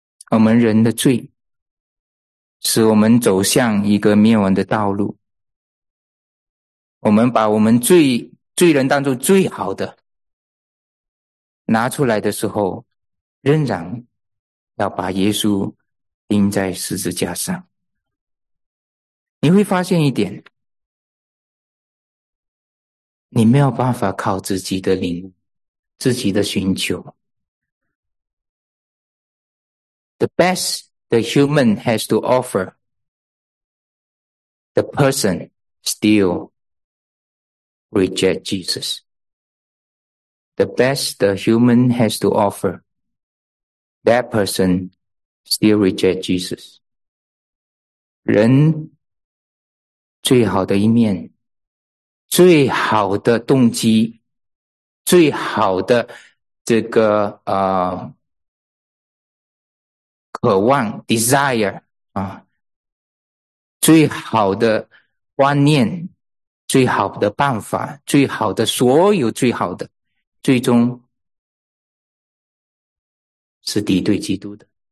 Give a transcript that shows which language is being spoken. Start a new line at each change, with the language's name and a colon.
Chinese: 我们人的罪使我们走向一个灭亡的道路，我们把我们罪人当中最好的拿出来的时候，仍然要把耶稣钉在十字架上。你会发现一点，你没有办法靠自己的灵、自己的寻求。
English: The best the human has to offer, the person still reject Jesus. The best the human has to offer, that person still reject Jesus.
Chinese: 人最好的一面，最好的动机，最好的这个渴望 desire 啊，最好的观念，最好的办法，最好的所有最好的，最终是敌对基督的。